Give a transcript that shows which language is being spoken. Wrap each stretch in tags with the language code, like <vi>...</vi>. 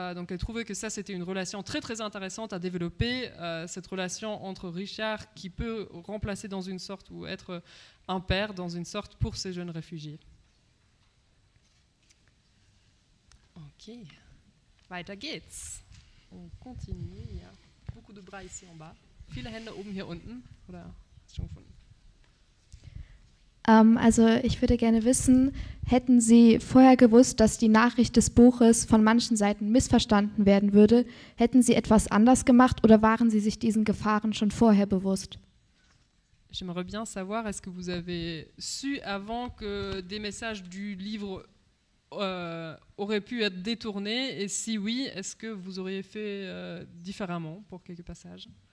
<fr>Donc elle trouvait que ça c'était une relation très très intéressante à développer, cette relation entre Richard qui peut remplacer dans une sorte ou être un père dans une sorte pour ces jeunes réfugiés.</fr> <de>Ok. Weiter geht's.</de> <fr>On continue. Il y a beaucoup de bras ici en bas.</fr> <de>Viele Hände oben hier unten. Oder hast du schon gefunden? Also ich würde gerne wissen, hätten Sie vorher gewusst, dass die Nachricht des Buches von manchen Seiten missverstanden werden würde? Hätten Sie etwas anders gemacht oder waren Sie sich diesen Gefahren schon vorher bewusst?</de> <fr>J'aimerais bien savoir, est-ce que vous avez su avant que des messages du livre aurait pu être détourné, et si oui, est-ce que vous auriez fait différemment pour quelques passages?</fr>